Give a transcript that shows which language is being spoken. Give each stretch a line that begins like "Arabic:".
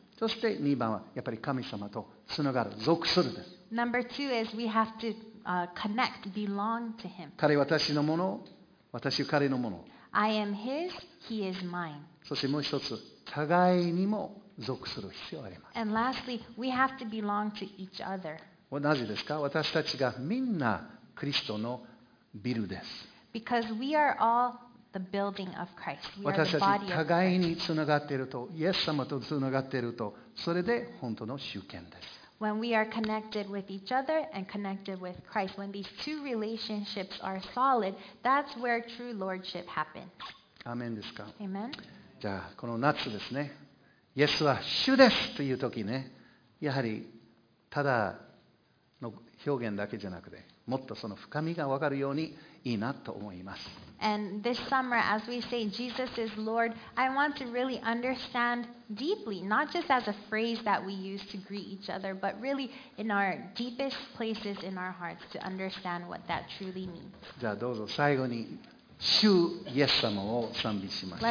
Japanese: そして2番はやっぱり神様とつながる、属するです。
English: Number two is we have to connect, belong to Him.
Japanese: 彼は私のもの、私は彼のもの。
English: I am His, He is mine.
Japanese: そしてもう一つ、互いにも属する必要があります。
English: And lastly, we have to belong to each other.
Japanese: なぜですか？私たちがみんなクリストのビルです。
English: Because we are all the building of Christ. We are the body of Christ.
Japanese: 私たち互いにつながっていると、イエス様とつながっていると、それで本当の主権です。
English: When we are connected with each other and connected with Christ, when these two relationships are solid, that's where true lordship happens.
Japanese: アーメンですか？
English: Amen.
Japanese: じゃあこの夏ですね、イエスは主ですという時ね、やはりただの表現だけじゃなくて、もっとその深みが分かるようにいいなと思います。
English: And this summer, as we say, Jesus is Lord, I want to really understand deeply, not just as a phrase that we use to greet each other, but really in our deepest places in our hearts to understand what that truly means.
Japanese: じゃあどうぞ最後に主イエス様を賛美しましょう。